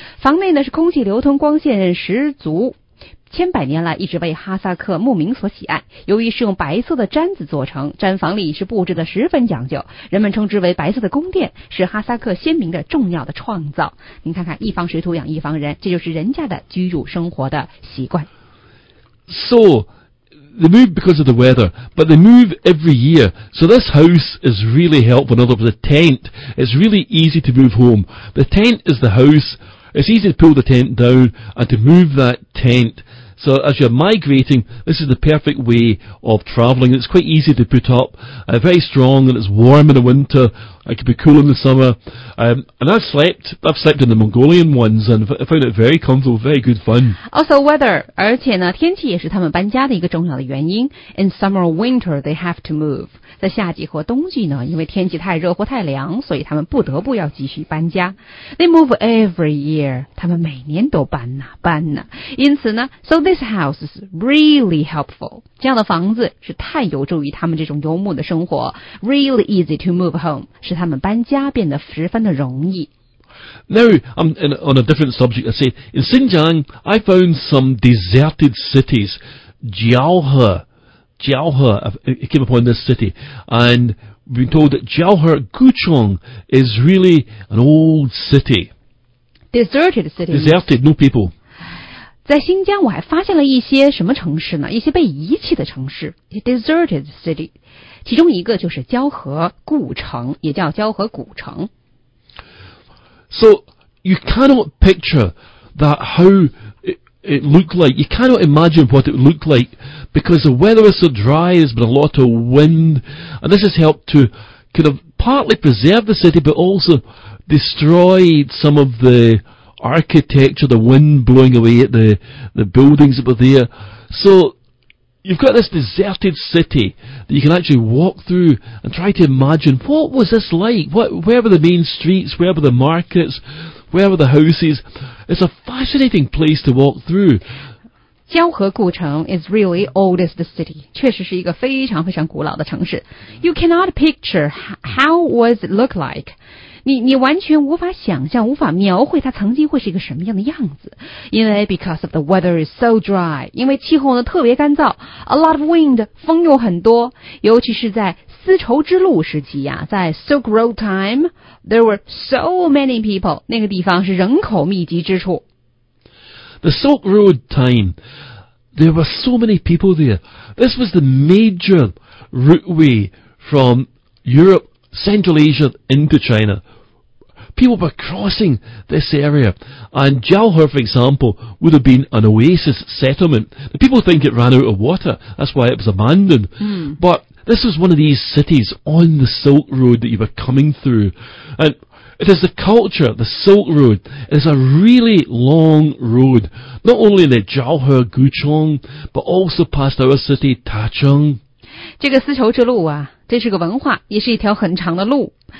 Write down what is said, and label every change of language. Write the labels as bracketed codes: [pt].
[zh] 房内呢是空气流通，光线十足。千百年来一直为哈萨克牧民所喜爱，由于是用白色的毡子做成，毡房里是布置的十分讲究，人们称之为白色的宫殿，是哈萨克先民的重要的创造。您看看，一方水土养一方人，这就是人家的居住生活的习惯。 [en] So they move because of the weather, but they move every year. So this house is really helpful. In other words, the tent is really easy to move home. The tent is the house. It's easy to pull the tent down and to move that tent. So as you're migrating, this is the perfect way of travelling. It's quite easy to put up, very strong, and it's warm in the winter. It could be cool in the summer. And I've slept in the Mongolian ones, and I found it very comfortable, very good fun. Also weather, [zh] 而且呢天气也是他们搬家的一个重要的原因。 [en] In summer or winter, they have to move. [zh] 在夏季或冬季呢，因为天气太热或太凉，所以他们不得不要继续搬家。 [en] They move every year. [zh] 他们每年都搬呐、啊、搬呐、啊。因此呢 [en] ，So this house is really helpful. [zh] 这样的房子是太有助于他们这种游牧的生活。 [en] Really easy to move home. [zh] 使他们搬家变得十分的容易。 [en] Now, I'm on a different subject. I say, in Xinjiang, I found some deserted cities. Jiaohe, I came upon this city. And we've been told that Jiaohe Guchong is really an old city. Deserted city. Deserted, no people. [zh] 在新疆我还发现了一些什么城市呢？一些被遗弃的城市。 [en] Deserted city. [zh] 其中一个就是胶河古城，也叫胶河古城。 [en] So you cannot picture that how it looked like. You cannot imagine what it looked like because the weather was so dry. There's been a lot of wind, and this has helped to kind of partly preserve the city, but also destroyed some of the architecture. The wind blowing away at the buildings that were there. So. You've got this deserted city that you can actually walk through and try to imagine, what was this like? Where were the main streets? Where were the markets? Where were the houses? It's a fascinating place to walk through. 胶河古城 is really oldest city. [zh] 确实是一个非常非常古老的城市。 [en] You cannot picture how was it look like. [zh] 你完全无法想象，无法描绘它曾经会是一个什么样的样子，因为 [en] because of the weather is so dry， [zh] 因为气候呢特别干燥 ， [en] a lot of wind， [zh] 风又很多，尤其是在丝绸之路时期呀、啊，在 [en] Silk Road time， there were so many people， [zh] 那个地方是人口密集之处。 [en] The Silk Road time， there were so many people there. This was the major routeway from Europe. Central Asia into China. People were crossing this area, and Jiaohe, for example, would have been an oasis settlement. The people think it ran out of water, that's why it was abandoned. But this was one of these cities on the Silk Road that you were coming through. And it is the culture, the Silk Road. It is a really long road, not only in the Jiaohe Guchong, but also past our city, Tacheng. [zh] 这个丝绸之路啊，这是个文化，也是一条很长的路。